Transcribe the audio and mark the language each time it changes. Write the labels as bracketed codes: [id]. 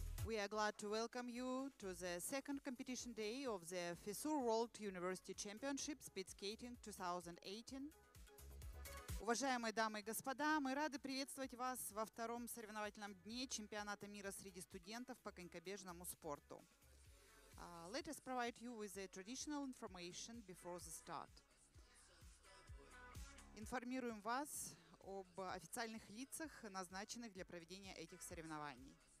[en] We are glad to welcome you to the second competition day of the FISU World University Championship Speed Skating 2018. [ru] Уважаемые дамы и господа, мы рады приветствовать вас во втором соревновательном дне чемпионата мира среди студентов по конькобежному спорту. [en] Let us provide you with the traditional information before the start. [ru] Информируем вас об официальных лицах, назначенных для проведения этих соревнований.